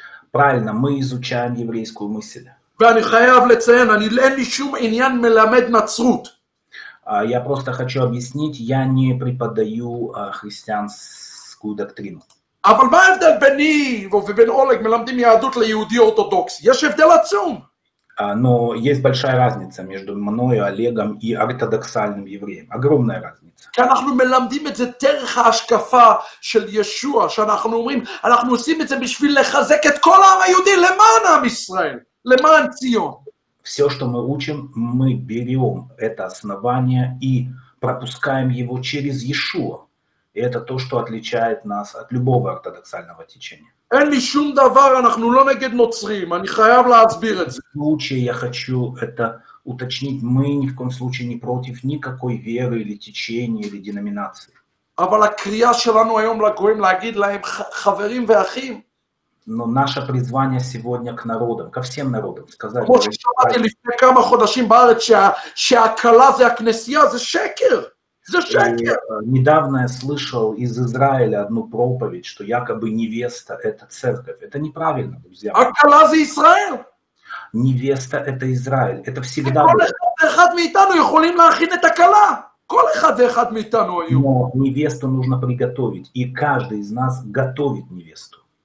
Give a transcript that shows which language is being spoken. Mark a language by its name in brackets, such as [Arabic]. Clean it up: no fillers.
[Russian] Правильно, мы изучаем еврейскую мысль. Я просто хочу объяснить, я не преподаю христианскую доктрину. [Hebrew] אבל מה ההבדל ביני ובין אולג מלמדים יהדות ליהודי אורתודוקס? יש הבדל עצום. [Russian] Но есть большая разница между мною, Олегом и ортодоксальным евреем. Огромная разница. [Hebrew] כי אנחנו מלמדים את זה דרך ההשקפה של ישוע, שאנחנו אומרים, אנחנו עושים את זה בשביל לחזק את כל העם היהודי למען עם ישראל, למען ציון. [Russian] Все, что мы учим, мы берем это основание и пропускаем его через Иешуа. И это то, что отличает нас от любого ортодоксального течения. [Hebrew] אין לי שום דבר, אנחנו לא נגד נוצרים, אני חייב להסביר את זה. [Russian] случае я хочу это уточнить, мы ни в коем случае не против никакой веры или течения или деноминации. [Hebrew] אבל הקריאה שלנו היום לגויים להגיד להם חברים ואחים. [Russian] Но наше призвание сегодня к народам, ко всем народам, сказать... [Hebrew] כמו ששמעתי לפני כמה חודשים בארץ שהקלה זה הכנסייה, זה שקר! [Russian] Недавно я слышал из Израиля одну проповедь, что якобы невеста – это церковь. Это неправильно, друзья. А кала за Израиль? Невеста – это Израиль. Это всегда было. Но невесту нужно приготовить, и каждый из нас готовит невесту.